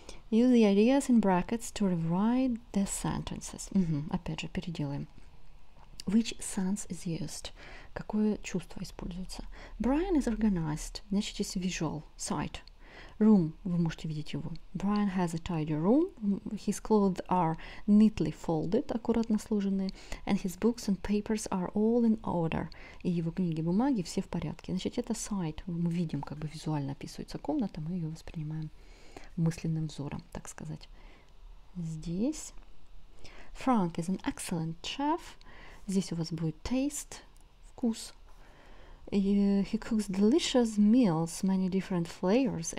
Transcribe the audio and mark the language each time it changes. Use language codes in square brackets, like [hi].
[en] Use the ideas in brackets to rewrite the sentences. [ru] Опять же, переделаем. [en] Which sense is used? [ru] Какое чувство используется? [en] Brian is organized. [ru] Значит, есть [en] visual, sight. [ru] Room, вы можете видеть его. [en] Brian has a tidy room. His clothes are neatly folded, [ru] аккуратно сложенные. [en] And his books and papers are all in order. [ru] И его книги, бумаги все в порядке. Значит, это sight. Мы видим, как бы визуально описывается комната, мы ее воспринимаем мысленным взором, так сказать. Здесь. [en] Frank is an excellent chef. [ru] Здесь у вас будет taste, вкус. [en] He cooks delicious meals, many different flavors.